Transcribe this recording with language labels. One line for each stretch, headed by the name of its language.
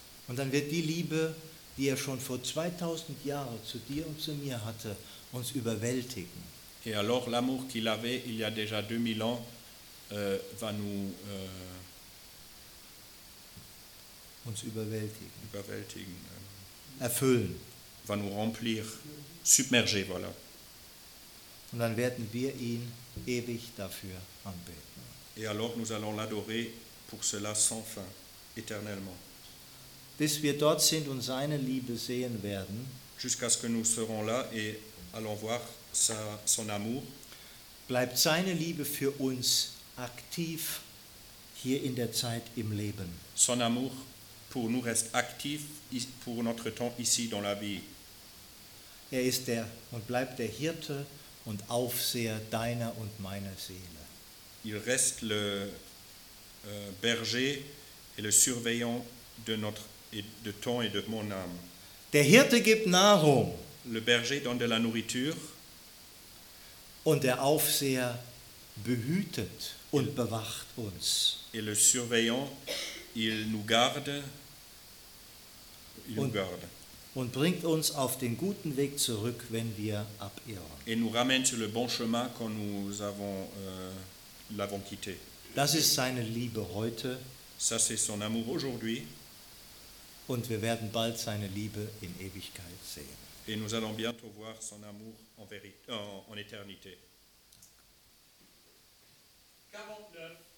German: Und dann wird die Liebe, die er schon vor 2000 Jahren zu dir und zu mir hatte, uns überwältigen.
French: Et alors l'amour qu'il avait il y a déjà 2000 ans va nous
German: uns überwältigen. Überwältigen. Erfüllen.
French: Va nous remplir, submerger, voilà.
German: Und dann werden wir ihn ewig dafür anbeten.
French: Et alors nous allons l'adorer pour cela sans fin, éternellement.
German: Bis wir dort sind und seine Liebe sehen werden.
French: Jusqu'à ce que nous serons là et allons voir son amour.
German: Bleibt seine Liebe für uns aktiv hier in der Zeit im Leben.
French: Son amour pour nous reste actif pour notre temps ici dans la vie.
German: Er ist der und bleibt der Hirte und Aufseher deiner und meiner Seele.
French: Il reste le berger et le surveillant de notre et de ton et de mon âme.
German: Der Hirte gibt Nahrung.
French: Le berger donne de la nourriture.
German: Und der Aufseher behütet und bewacht uns.
French: Et le surveillant, il nous garde.
German: Und bringt uns auf den guten Weg zurück, wenn wir abirren.
French: Et nous ramène sur le bon chemin quand nous avons l'avons quitté.
German: Das ist seine Liebe heute.
French: Ça c'est son amour aujourd'hui.
German: Und wir werden bald seine Liebe in Ewigkeit sehen.
French: Et nous allons bientôt voir son amour en vérité, en éternité. 49.